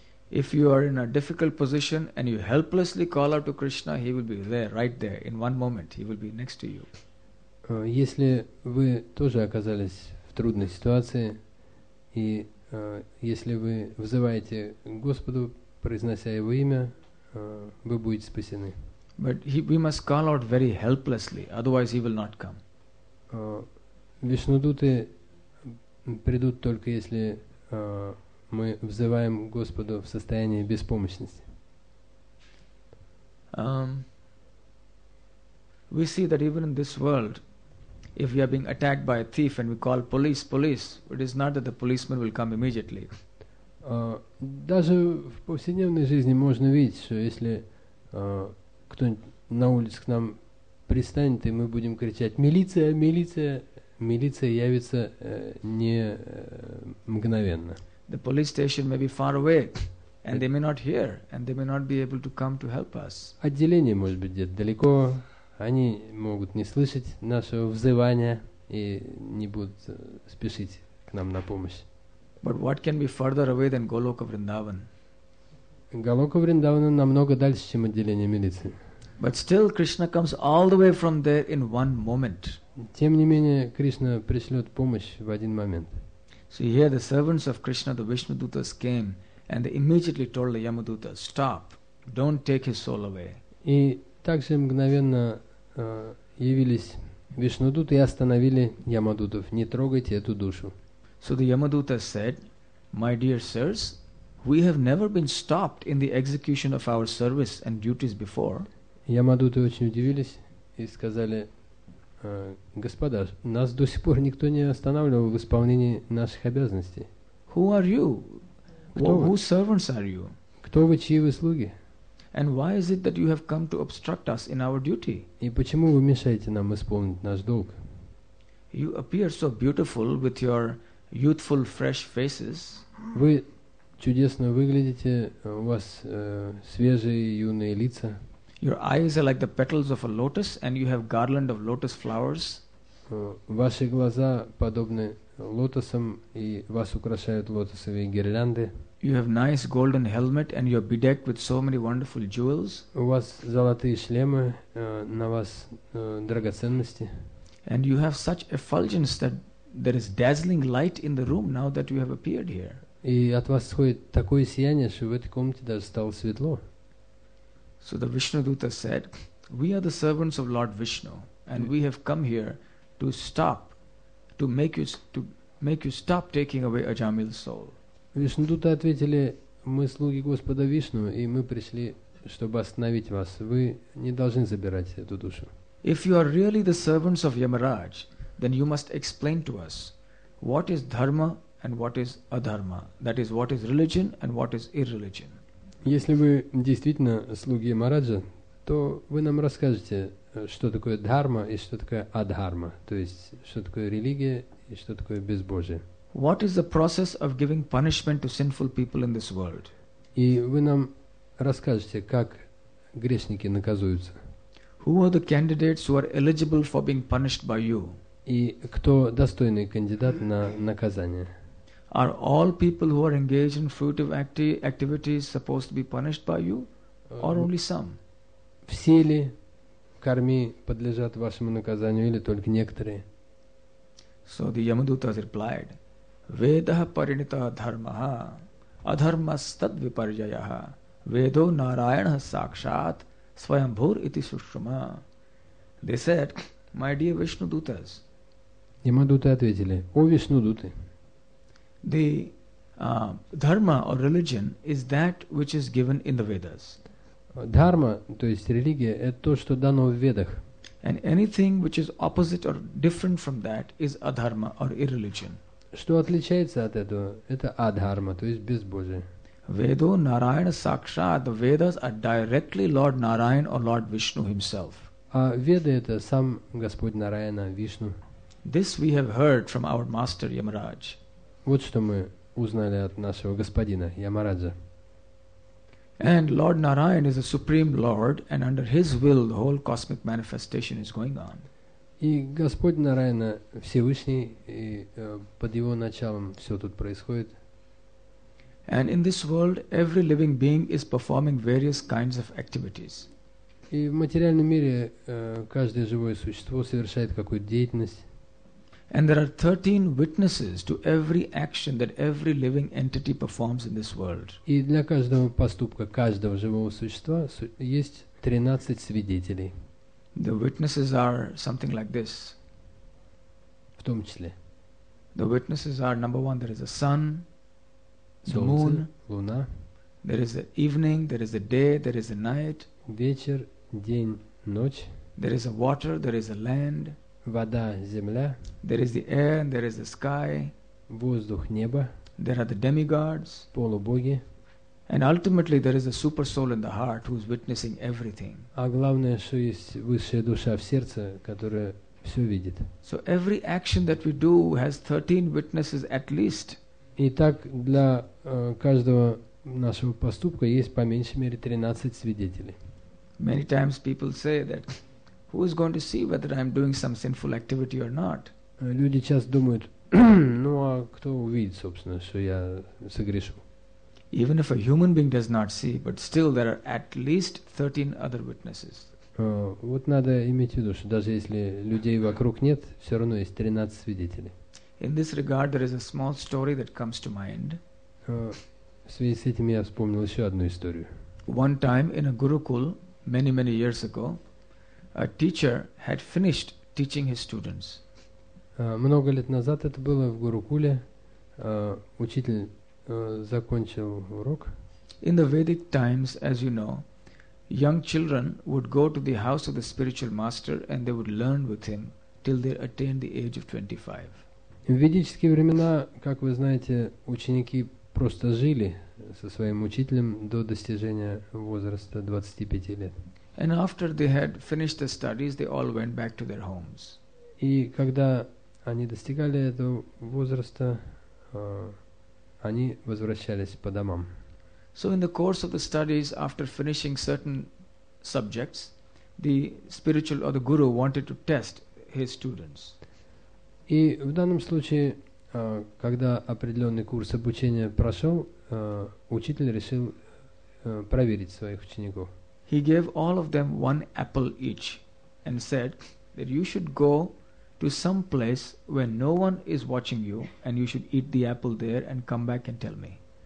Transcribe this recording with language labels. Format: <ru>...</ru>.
<en>If you are in a difficult position and you helplessly call out to Krishna, he will be there, right there, in one moment, he will be next to you.</en> <ru>Если вы тоже оказались в трудной ситуации, и если вы взываете Господу, произнося Его имя, вы будете спасены.</ru> <en>But we must call out very helplessly, otherwise He will not come.</en> <ru>Вишнудуты придут только если мы взываем Господу в состоянии беспомощности.</ru> <en>We see that even in this world, if we are being attacked by a thief and we call police, police, it is not that the policeman will come immediately.</en> <ru>Даже в повседневной жизни можно видеть, что если кто-нибудь на улице к нам пристанет, и мы будем кричать «милиция, милиция», милиция явится не мгновенно.</ru> <en>The police station may be far away, and they may not hear, and they may not be able to come to help us.</en> <ru>Отделение может быть где-то далеко. Они могут не слышать нашего взывания и не будут спешить к нам на помощь.</ru> <en>But what can be further away than Goloka Vrindavan?</en> <ru>Голока Вриндавана намного дальше, чем отделение милиции.</ru> <en>But still Krishna comes all the way from there in one moment.</en> <ru>Тем не менее, Кришна пришлет помощь в один момент.</ru> <en>So here the servants of Krishna, the Vishnudutas, came and they immediately told the Yamadutas, stop, don't take his soul away.</en> <ru>И также мгновенно явились Вишнудуты и остановили Ямадутов. Не трогайте эту душу.</ru> <en>So the Yamaduta said, my dear sirs, we have never been stopped in the execution of our service and duties before.</en> <ru>Ямадуты очень удивились и сказали, господа, нас до сих пор никто не останавливал в исполнении наших обязанностей.</ru> <en>Who are you? Whose servants are you?</en> <ru>Кто вы, чьи вы слуги?</ru> <en>And why is it that you have come to obstruct us in our duty?</en> <ru>И почему вы мешаете нам исполнить наш долг?</ru> <en>You appear so beautiful with your youthful, fresh faces.</en> <ru>Вы чудесно выглядите, у вас свежие юные лица.</ru> <en>Your eyes are like the petals of a lotus, and you have garland of lotus flowers.</en> <ru>Ваши глаза подобны лотосам, и вас украшают лотосовые гирлянды.</ru> <en>You have nice golden helmet and you are bedecked with so many wonderful jewels.</en> <ru>У вас золотые шлемы, на вас драгоценности.</ru> <en>And you have such effulgence that there is dazzling light in the room now that you have appeared here.</en> <ru>И от вас исходит такое сияние, что в этой комнате даже стало светло.</ru> <en>So the Vishnuduta said, we are the servants of Lord Vishnu and we have come here to stop, to make you stop taking away Ajamil's soul.</en> <ru>Вишнудуты ответили, мы слуги Господа Вишну, и мы пришли, чтобы остановить вас. Вы не должны забирать эту душу.</ru> <en>If you are really the servants of Yamaraj, then you must explain to us what is dharma and what is adharma. That is, what is religion and what is irreligion.</en> <ru>Если вы действительно слуги Ямараджа, то вы нам расскажете, что такое дхарма и что такое адхарма, то есть что такое религия и что такое безбожие.</ru> <en>What is the process of giving punishment to sinful people in this world?</en> <ru>И вы нам расскажете, как грешники наказываются.</ru> <en>Who are the candidates who are eligible for being punished by you?</en> <ru>И кто достойный кандидат на наказание?</ru> <en>Are all people who are engaged in fruitive activities supposed to be punished by you, or only some?</en> <ru>Все ли карми подлежат вашему наказанию или только некоторые?</ru> <en>So the Yamadutas replied,</en> <sa>Vedah parinita dharmaha, adharmastad viparjayaha, Vedo narayana sakshat, svayambhur iti sushruma.</sa> <en>They said, My dear Vishnudutas,</en> <ru>Yamadutas ответили, О Вишнудуты,</ru> <en>The dharma or religion is that which is given in the Vedas.</en> <ru>Dharma, то есть религия, это то, что дано в Ведах.</ru> <en>And anything which is opposite or different from that is adharma or irreligion.</en> <ru>Что отличается от этого? Это адхарма, то есть безбожие.</ru> <sa>Vedo Narayana Sakshat,</sa> <en>the Vedas are directly Lord Narayana or Lord Vishnu himself.</en> <ru>А Веды это сам Господь Нараяна, Вишну.</ru> <en>This we have heard from our master Yamaraj.</en> <ru>Вот что мы узнали от нашего господина Ямараджа.</ru> <en>And Lord Narayan is a supreme Lord, and under His will, the whole cosmic manifestation is going on.</en> <ru>И Господь Нараяна Всевышний, под Его началом все тут происходит.</ru> <en>And in this world, every living being is performing various kinds of activities.</en> <ru>И в материальном мире каждое живое существо совершает какую-то деятельность.</ru> <en>And there are 13 witnesses to every action that every living entity performs in this world.</en> <ru>И для каждого поступка каждого живого существа есть 13 свидетелей.</ru> <en>The witnesses are something like this.</en> <ru>В том числе.</ru> <en>The witnesses are number one, there is a sun, the moon,</en> <ru>луна.</ru> <en>There is the evening, there is the day, there is the night.</en> <ru>Вечер, день, ночь.</ru> <en>There is a water, there is a land.</en> <ru>Вода, земля.</ru> <en>There is the air and there is the sky.</en> <ru>Воздух, небо.</ru> <en>There are the demigods.</en> <ru>Полубоги.</ru> <en>And ultimately there is a super soul in the heart who is witnessing everything.</en> <ru>А главное, что есть высшая душа в сердце, которая все видит.</ru> <en>So every action that we do has 13 witnesses at least.</en> <ru>Итак, для каждого нашего поступка есть по меньшей мере 13 свидетелей.</ru> <en>Many times people say that Who is going to see whether I am doing some sinful activity or not?</en> <ru>Люди часто думают, ну а кто увидит, собственно, что я согрешу?</ru> <en>Even if a human being does not see, but still there are at least 13 other witnesses.</en> <ru>Вот надо иметь в виду, что даже если людей вокруг нет, все равно есть 13 свидетелей.</ru> <en>In this regard, there is a small story that comes to mind.</en> <ru>В связи с этим я вспомнил еще одну историю.</ru> <en>One time in a Gurukul, many, many years ago, A teacher had finished teaching his students.</en> <ru>Много лет назад это было в Гурукуле. Учитель закончил урок.</ru> <en>In the Vedic times, as you know, young children would go to the house of the spiritual master and they would learn with him till they attained the age of 25.</en> <ru>В ведические времена, как вы знаете, ученики просто жили со своим учителем до достижения возраста 25 лет.</ru> <en>And after they had finished the studies, they all went back to their homes.</en> <ru>И когда они достигали этого возраста, они возвращались по домам.</ru> <en>So in the course of the studies, after finishing certain subjects, the spiritual or the guru wanted to test his students.</en> <ru>И в данном случае, когда определенный курс обучения прошел, учитель решил проверить своих учеников.</ru> <en>He gave all of them one apple each and said that you should go to some place where no one is watching you and you should eat the apple there and come back and tell me.</en>